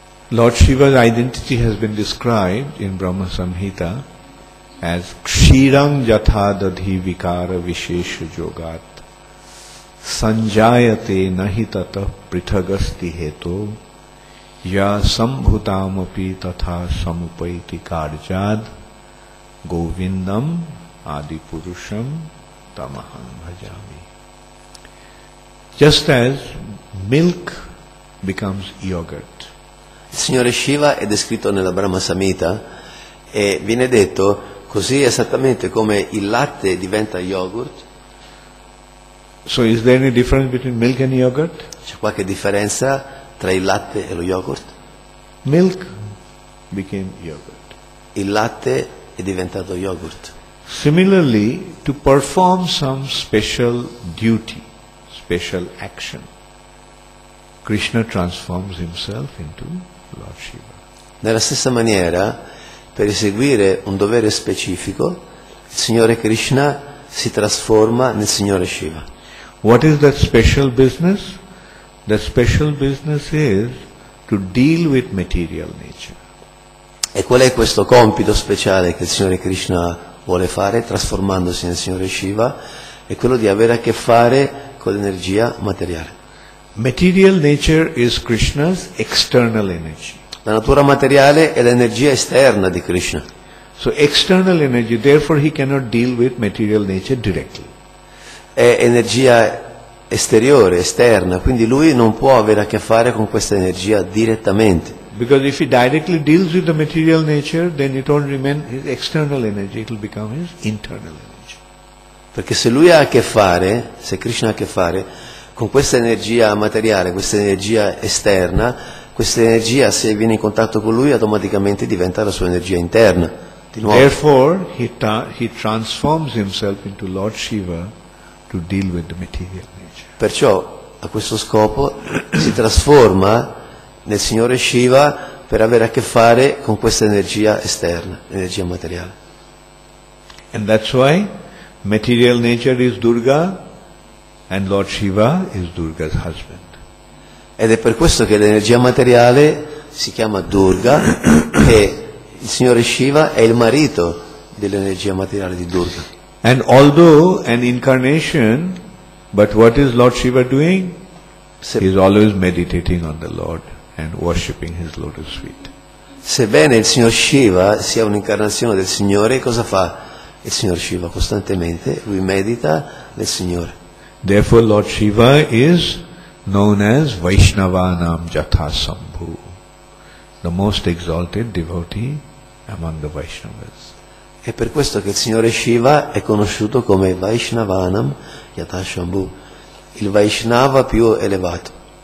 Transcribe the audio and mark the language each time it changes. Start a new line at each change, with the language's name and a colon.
English: Lord Shiva's identity has been described in Brahma Samhita as
Sanskrit: Kshiram Jatha Dadhi Vikara Vishesh Yogat Sanjayate Nahitata Prithagasti Heto Ya Sambhutamapi Tatha Samupaiti Karjad Govindam Adi Purusham Tamaham Bhajami.
English: Just as milk becomes yogurt.
Italian: Il Signore Shiva è descritto nella Brahma Samhita e viene detto così esattamente come il latte diventa yogurt.
English: So is there any difference between milk and yogurt?
Italian: C'è qualche differenza tra il latte e lo yogurt?
English: Milk became yogurt.
Italian: Il latte è diventato yogurt.
English: Similarly, to perform some special duty, special action, Krishna transforms himself into Lord Shiva.
Italian: Nella stessa maniera, per eseguire un dovere specifico, il Signore Krishna si trasforma nel Signore Shiva.
English: What is that special business? The special business is to deal with material nature.
Italian: E qual è questo compito speciale che il Signore Krishna vuole fare trasformandosi nel Signore Shiva? È quello di avere a che fare con l'energia materiale.
English: Material nature is Krishna's external energy.
Italian: La natura materiale è l'energia esterna di Krishna.
English: So external energy, therefore he cannot deal with material nature directly.
Italian: È energia esteriore, esterna, quindi lui non può avere a che fare con questa energia direttamente.
English: Because if he directly deals with the material nature, then it won't remain his external energy, it will become his internal energy.
Italian: Perché se lui ha a che fare, se Krishna ha a che fare con questa energia materiale, questa energia esterna, questa energia se viene in contatto con lui automaticamente diventa la sua energia interna.
English: Therefore he transforms himself into Lord Shiva to deal with the material nature.
Italian: Perciò a questo scopo si trasforma nel Signore Shiva per avere a che fare con questa energia esterna, energia materiale.
English: And that's why material nature is Durga and Lord Shiva is Durga's husband.
Italian: Ed è per questo che l'energia materiale si chiama Durga e il Signore Shiva è il marito dell'energia materiale di Durga.
English: And although an incarnation, but what is Lord Shiva doing? He is always meditating on the Lord and worshipping his lotus feet.
Italian: Sebbene il Signor Shiva sia un'incarnazione del Signore, cosa fa il Signor Shiva costantemente? Lui medita nel Signore.
English: Therefore Lord Shiva is known as
Sanskrit: Vaishnavanam Jatha Sambhu,
English: the most exalted devotee among the Vaishnavas.
Italian: È per questo che il Signore Shiva è conosciuto come
Sanskrit: Vaishnavanam Jatha Sambhu,
Italian: il Vaishnava più elevato.